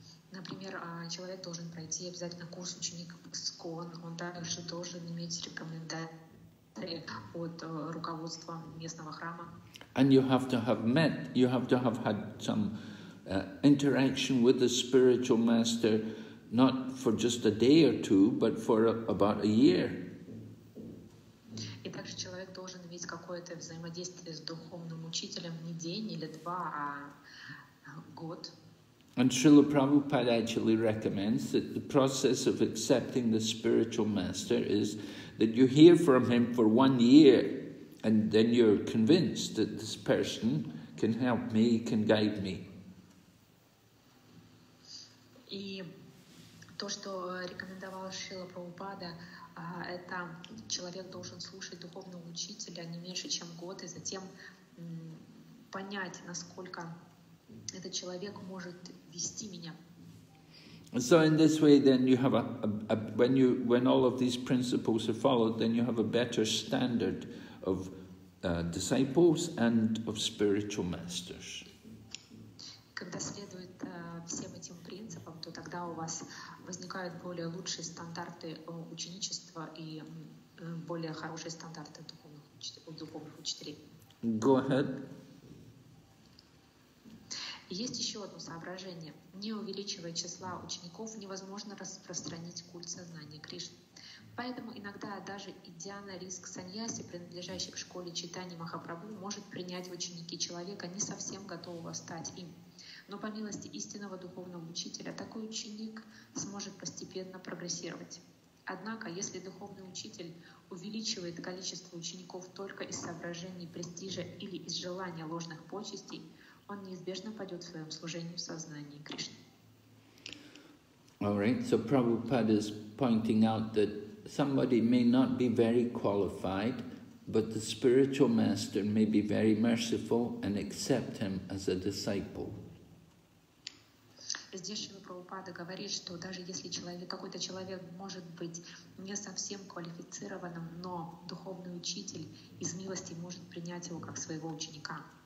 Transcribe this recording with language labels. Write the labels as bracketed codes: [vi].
[ru] Например, человек должен пройти обязательно курс ученика в ИСКОН, он также должен иметь рекомендацию от руководства местного храма. [en] And you have to have had some interaction with the spiritual master, not for just a day or two, but for about a year. [ru] И также человек должен иметь какое-то взаимодействие с духовным учителем не день или два, а год. [en] And Srila Prabhupada actually recommends that the process of accepting the spiritual master is that you hear from him for 1 year and then you're convinced that this person can help me, can guide me. [ru] И то, что рекомендовал Шрила Прабхупада, это человек должен слушать духовного учителя не меньше, чем год, и затем понять, насколько этот человек может вести меня. [en] So in this way, then you have when all of these principles are followed, then you have a better standard of disciples and of spiritual masters. [ru] Когда следует всем этим принципам, то тогда у вас возникают более лучшие стандарты ученичества и более хорошие стандарты духовных учителей. [en] Go ahead. [ru] Есть еще одно соображение. Не увеличивая числа учеников, невозможно распространить культ сознания Кришны. Поэтому иногда даже идя на риск саньяси, принадлежащий к школе читаний Махапрабху, может принять в ученики человека, не совсем готового стать им. Но по милости истинного духовного учителя, такой ученик сможет постепенно прогрессировать. Однако, если духовный учитель увеличивает количество учеников только из соображений престижа или из желания ложных почестей, он неизбежно пойдет в своем служении в сознании Кришны. [en] All right, so Prabhupada is pointing out that somebody may not be very qualified, but the spiritual master may be very merciful and accept him as a disciple. [ru] Здесь же Прабхупада говорит, что даже если человек, какой-то человек может быть не совсем квалифицированным, но духовный учитель из милости может принять его как своего ученика.